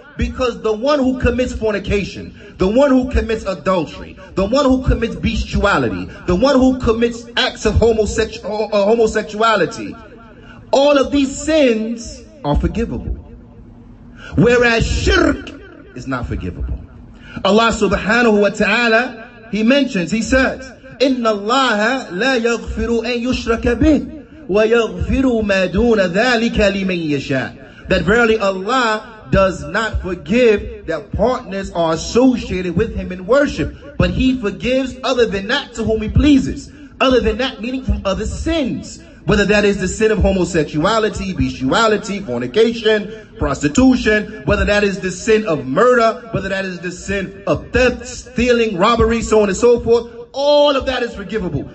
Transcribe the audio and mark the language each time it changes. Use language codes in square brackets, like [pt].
[en] Because the one who commits fornication, the one who commits adultery, the one who commits bestiality, the one who commits acts of homosexuality, all of these sins are forgivable. Whereas shirk is not forgivable. Allah subhanahu wa ta'ala, he mentions, he says, [ar] إِنَّ اللَّهَ لَا يَغْفِرُ أَن يُشْرَكَ بِهِ وَيَغْفِرُ مَا دُونَ ذَلِكَ لِمَن يَشَاءُ. [en] That verily Allah does not forgive that partners are associated with him in worship, but he forgives other than that to whom he pleases. Other than that, meaning from other sins. Whether that is the sin of homosexuality, bestiality, fornication, prostitution, whether that is the sin of murder, whether that is the sin of theft, stealing, robbery, so on and so forth, all of that is forgivable.